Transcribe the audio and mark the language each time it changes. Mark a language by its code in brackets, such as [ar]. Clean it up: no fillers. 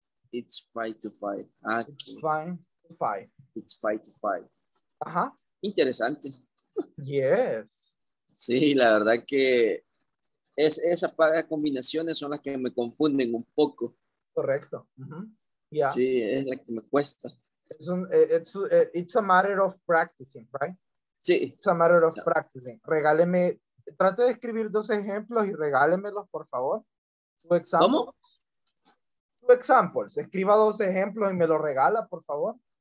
[en] It's 5 to 5. It's 5 to 5. It's 5 to 5. Ajá. [es] Interesante. [en] Yes. [es] Sí, la verdad que es, esas pagas combinaciones son las que me confunden un poco. Correcto. Uh-huh. Yeah. Sí, es la que me cuesta. [en] It's, un, it's a matter of practicing, right? [es] Sí. [en] It's a matter of practicing. [es] Regáleme, trate de escribir dos ejemplos y regálemelos, por favor. [en] Two examples. [es] ¿Cómo? [en] Two examples. [es] Escriba dos ejemplos y me lo regala, por favor.